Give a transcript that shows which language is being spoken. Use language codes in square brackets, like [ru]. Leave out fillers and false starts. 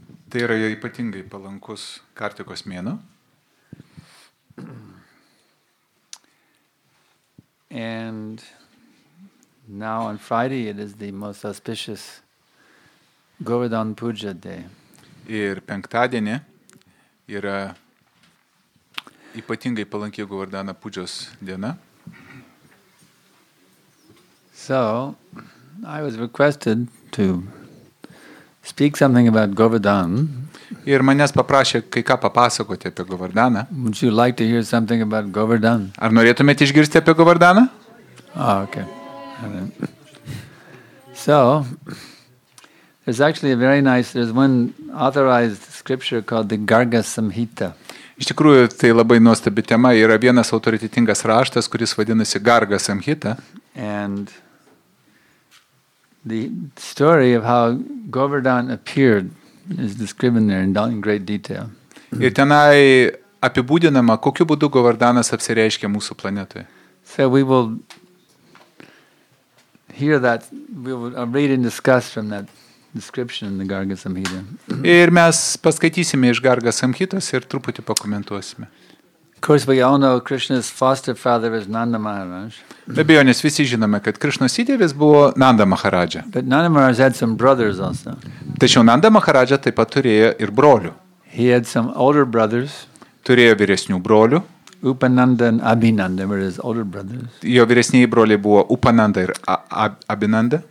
[lt] Tai yra ypatingai palankus Kartikos mėnuo. [en] And now on Friday it is the most auspicious Govardhan Puja day. [lt] Ir penktadienį yra ypatingai palanki Govardhana Pujos diena. [en] So, I was requested to speak something about Govardhan. [lt] Ir manęs paprašė kai ką papasakoti apie Govardhaną. [en] Would you like to hear something about Govardhan? [lt] Ar norėtumėte išgirsti apie Govardhaną? [en] Oh, okay. So, there's actually a very nice, there's one authorized scripture called the Garga Samhita. [lt] Iš tikrųjų, tai labai nuostabi tema. Yra vienas autoritetingas raštas, kuris vadinasi Garga Samhita. [en] And the story of how Govardhan appeared is described there in great detail. [lt] Ir tenai apibūdinama, kokiu būdu Govardhanas apsireiškė mūsų planetoje. [en] So we will hear that, we will read and discuss from that description in the Garga Samhita. [lt] Ir mes paskaitysime iš Garga Samhitos ir truputį pakomentuosime. [en] Of course, we all know Krishna's foster father is Nanda Maharaj. [lt] Be abejo, nes visi žinome, kad Krishnos įtėvis buvo Nanda Maharaja. [en] But Nanda Maharaj had some brothers also. [lt] Tačiau Nanda Maharaja taip pat turėjo ir brolių. [en] He had some older brothers. [lt] Turėjo vyresnių brolių. [en] Upananda and Abhinanda were his older brothers. [lt] Jo vyresnieji broliai buvo Upananda ir Abhinanda.